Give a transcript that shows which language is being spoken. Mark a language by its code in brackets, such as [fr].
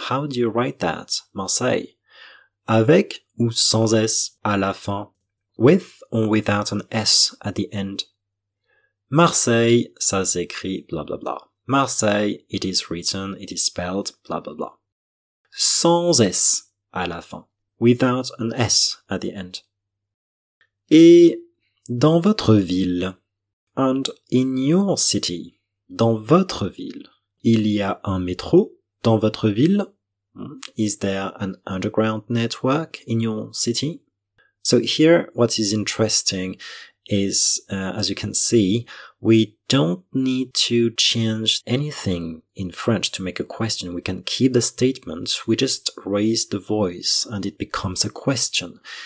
[en] How do you write that, Marseille? [fr] Avec ou sans S à la fin? [en] With or without an S at the end? [fr] Marseille, ça s'écrit blah blah blah. [en] Marseille, it is written, it is spelled, blah blah blah. [fr] Sans S à la fin. [en] Without an S at the end. [fr] Et dans votre ville, [en] and in your city, [fr] dans votre ville, il y a un métro dans votre ville? [en] Is there an underground network in your city? So here, what is interesting is, as you can see, we don't need to change anything in French to make a question. We can keep the statement, we just raise the voice and it becomes a question.